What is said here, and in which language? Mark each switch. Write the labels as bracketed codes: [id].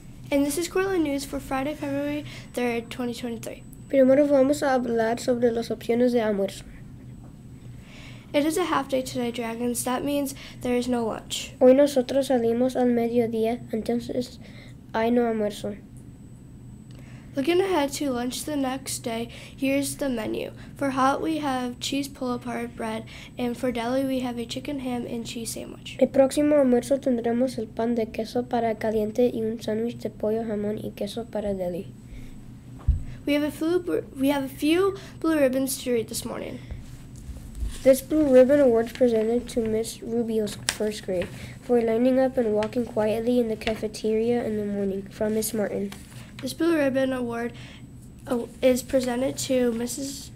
[en] And this is Cortland News for Friday, February 3rd, 2023. [es] Primero vamos a hablar sobre las opciones de almuerzo. [en] It is a half day today, Dragons. That means there is no lunch. [es] Hoy nosotros salimos al mediodía, entonces hay no almuerzo. [en] Looking ahead to lunch the next day, here's the menu. For hot, we have cheese pull-apart bread, and for deli, we have a chicken ham and cheese sandwich. [es] El próximo almuerzo tendremos el pan de queso para caliente y un sándwich de pollo, jamón y queso para deli. [en] We have a few blue ribbons to read this morning. This blue ribbon award is presented to Miss Rubio's first grade for lining up and walking quietly in the cafeteria in the morning from Miss Martin. This Blue Ribbon Award is presented to Mrs.